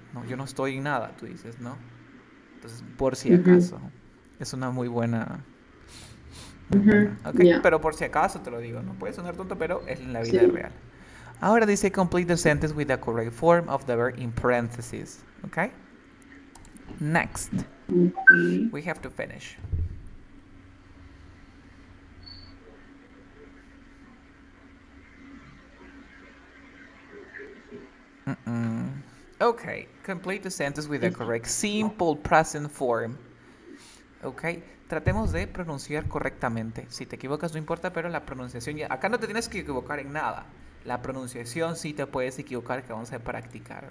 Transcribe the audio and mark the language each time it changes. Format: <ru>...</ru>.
<es>No, yo no estoy en nada, tú dices, ¿no? Entonces, por si acaso, mm-hmm. es una muy buena... Mm-hmm. Okay. Yeah. Pero por si acaso, te lo digo, no puede sonar tonto, pero es en la vida sí.</es> <en>real.</en> <es>Ahora dice,</es> <en>complete the sentence with the correct form of the verb in parentheses. Okay? Next. Mm-hmm. We have to finish. Mm-mm. Okay. Complete the sentence with the correct simple present form.</en> <es>Ok, tratemos de pronunciar correctamente. Si te equivocas, no importa, pero la pronunciación. Ya, acá no te tienes que equivocar en nada. La pronunciación sí te puedes equivocar, que vamos a practicar.</es>